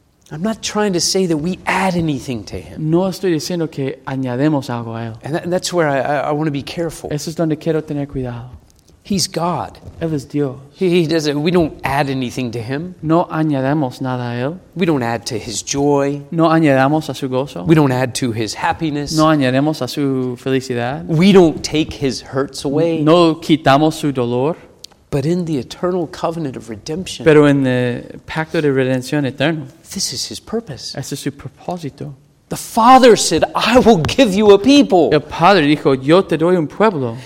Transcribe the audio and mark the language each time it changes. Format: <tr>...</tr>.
<en>I'm not trying to say that we add anything to him.</en> <es>No estoy diciendo que añadamos algo a él.</es> <en>And that's where I want to be careful.</en> <es>Eso es donde quiero tener cuidado.</es> <en>He's God.</en> <es>Él es Dios.</es> <en>He doesn't. We don't add anything to him.</en> <es>No añadamos nada a él.</es> <en>We don't add to his joy.</en> <es>No añadamos a su gozo.</es> <en>We don't add to his happiness.</en> <es>No añadamos a su felicidad.</es> <en>We don't take his hurts away.</en> <es>No quitamos su dolor.</es> <en>But in the eternal covenant of redemption.</en> <es>Pero en el pacto de redención eterno.</es> <en>This is his purpose.</en> <es>Ese es su propósito.</es> <en>The Father said, I will give you a people.</en> <es>El Padre dijo, yo te doy un pueblo.</es>